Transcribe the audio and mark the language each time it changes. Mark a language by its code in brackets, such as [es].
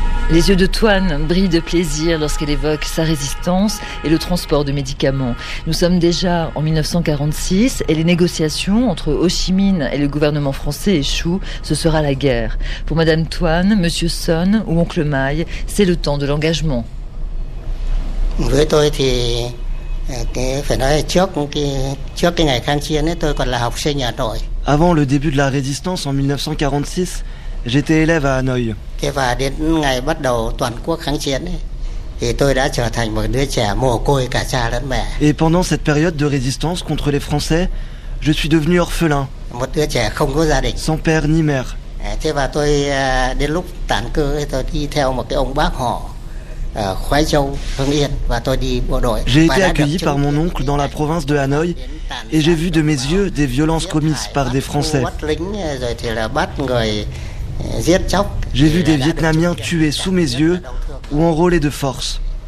[fr] Les yeux de Toine brillent de plaisir lorsqu'elle évoque sa résistance et le transport de médicaments. Nous sommes déjà en 1946 et les négociations entre Ho Chi Minh et le gouvernement français échouent. Ce sera la guerre. Pour Madame Toine, Monsieur Son ou Oncle Mai, c'est le temps de l'engagement. [vi] Với tôi thì phải nói trước ngày kháng chiến tôi còn là học sinh nhà trội. [fr] Avant le début de la résistance en 1946. J'étais élève à Hanoï. [vi] Thế và đến ngày bắt đầu toàn quốc kháng chiến ấy, thì tôi đã trở thành một đứa trẻ mồ côi cả cha lẫn mẹ. [fr] Et pendant cette période de résistance contre les Français, je suis devenu orphelin. [vi] Một đứa trẻ không có gia đình. [fr] Sans père ni mère. [vi] Thế và tôi đến lúc tản cư thì tôi đi theo một cái ông bác họ ở Khoái Châu, Hưng Yên và tôi đi bộ đội. [fr] J'ai été accueilli par mon oncle dans la province de Hanoï et j'ai vu de mes yeux des violences commises par des Français. [vi] Bắt lính rồi thì là bắt người. [fr] J'ai vu des Vietnamiens tués sous mes yeux ou enrôlés de force.